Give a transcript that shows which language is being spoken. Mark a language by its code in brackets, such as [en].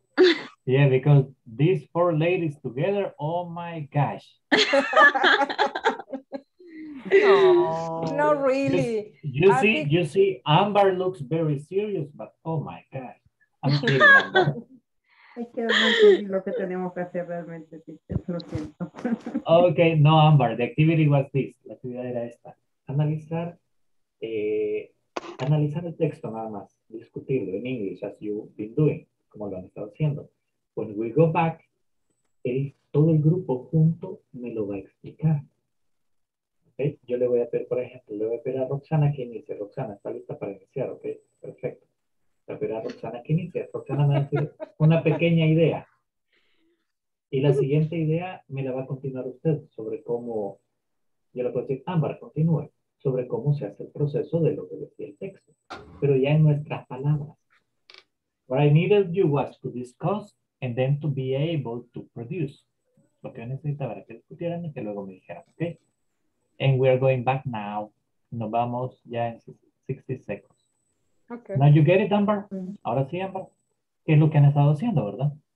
[en] because, yeah, because these four ladies together, oh my gosh. No, not really. You see, Amber looks very serious, but oh my God, I'm kidding. [es] Hay que ver lo que tenemos que hacer realmente. Lo siento. [en] Okay, no, Amber. The activity was this. [es] La actividad era esta. Analizar el texto nada más. Discutirlo [en] in English as you've been doing, [es] como lo han estado haciendo. [en] When we go back, [es] todo el grupo junto me lo va a explicar. Okay. Yo le voy a pedir, por ejemplo, le voy a pedir a Roxana que inicie. Roxana, ¿está lista para iniciar? Ok, perfecto. Le voy a pedir a Roxana que inicie. Roxana me va a decir una pequeña idea. Y la siguiente idea me la va a continuar usted sobre cómo, yo le puedo decir, Ámbar, continúe, sobre cómo se hace el proceso de lo que decía el texto. Pero ya en nuestras palabras. [en] What I needed you was to discuss and then to be able to produce. [es] Lo que yo necesitaba era que discutieran y que luego me dijeran, ok. [en] And we are going back now. [es] Nos vamos ya en [en] 60 seconds. Okay. Now you get it, Amber? Mm-hmm. [es] Ahora sí, [en] Amber. [es] ¿Qué es lo que han estado haciendo, verdad?